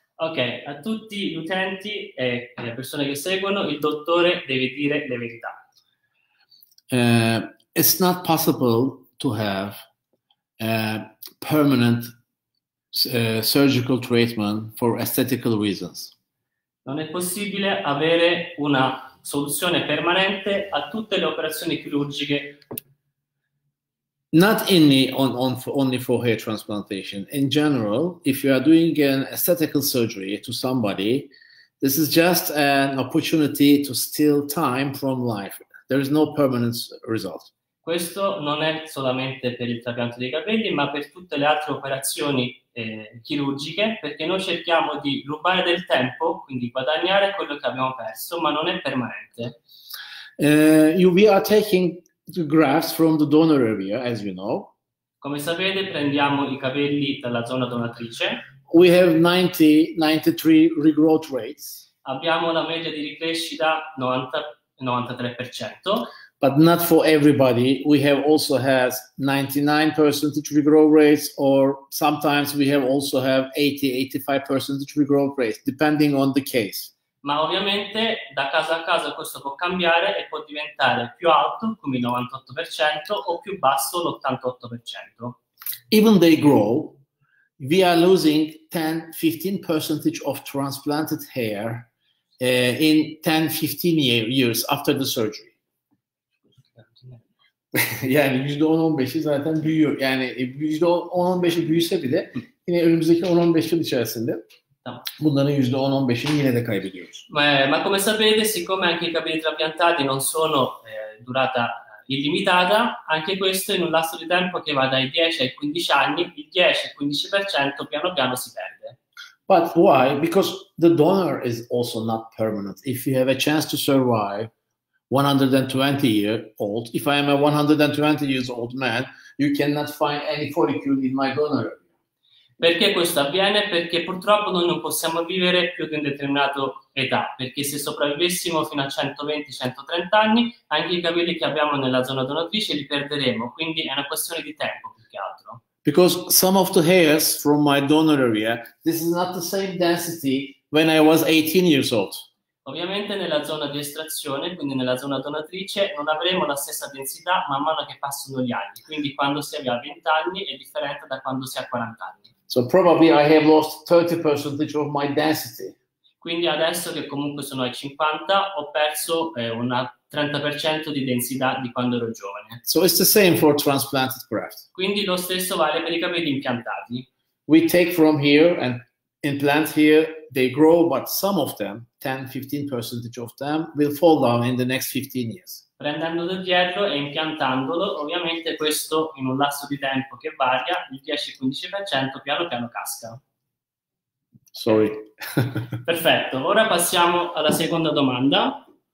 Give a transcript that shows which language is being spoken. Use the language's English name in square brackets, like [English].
[Italian] Ok, a tutti gli utenti e le persone che seguono, il dottore deve dire le verità. [English] It's not possible to have a permanent surgical treatment for aesthetical reasons. [Italian] Non è possibile avere una soluzione permanente a tutte le operazioni chirurgiche. [English] Not only only for hair transplantation. In general, if you are doing an aesthetical surgery to somebody, this is just an opportunity to steal time from life. There is no permanent result. [Italian] Questo non è solamente per il trapianto dei capelli, ma per tutte le altre operazioni chirurgiche, perché noi cerchiamo di rubare del tempo, quindi guadagnare quello che abbiamo perso, ma non è permanente. [English] We are taking the grafts from the donor area, as you know. [Italian] Come sapete, prendiamo i capelli dalla zona donatrice. [English] We have 93 regrowth rates. [Italian] Abbiamo la media di ricrescita 93%. [English] But not for everybody. We have also has 99% regrowth rates, or sometimes we have also have 80-85% regrowth rates, depending on the case. [Italian] Ma ovviamente da caso a caso questo può cambiare e può diventare più alto, come il 98%, o più basso, l'88%. [English] Even they grow, we are losing 10-15% of transplanted hair in 10-15 years after the surgery. [Turkish] Yani %10-15'i zaten büyüyor. Yani %10-15'i büyüse bile yine önümüzdeki 10-15 yıl içerisinde bunların %10-15'ini yine de kaybediyoruz. [Italian] Ma come sapete, siccome anche i capelli trapiantati non sono durata illimitata, anche questo in un lasso di tempo che va dai 10 ai 15 anni, il 10-15% piano piano si perde. [English] But why? Because the donor is also not permanent. If you have a chance to survive 120 years old, if I am a 120 years old man, you cannot find any follicle in my donor. [Italian] Perché questo avviene? Perché purtroppo noi non possiamo vivere più di un determinato età, perché se sopravvivessimo fino a 120-130 anni, anche i capelli che abbiamo nella zona donatrice li perderemo, quindi è una questione di tempo più che altro. [English] Because some of the hairs from my donor area, this is not the same density when I was 18 years old. [Italian] Ovviamente nella zona di estrazione, quindi nella zona donatrice, non avremo la stessa densità man mano che passano gli anni. Quindi quando si arriva a 20 anni è differente da quando si ha 40 anni. [English] So probably I have lost 30% of my density. [Italian] Quindi adesso che comunque sono ai 50, ho perso un 30% di densità di quando ero giovane. [English] So it's the same for transplanted graft. [Italian] Quindi lo stesso vale per i capelli impiantati. [English] We take from here and implant here, they grow, but some of them, 10-15% of them, will fall down in the next 15 years. [Italian] Prendendo da dietro e impiantandolo, ovviamente questo in un lasso di tempo che varia, il 10-15% piano piano casca. [English] Sorry. [Italian] Perfetto, ora passiamo alla seconda domanda.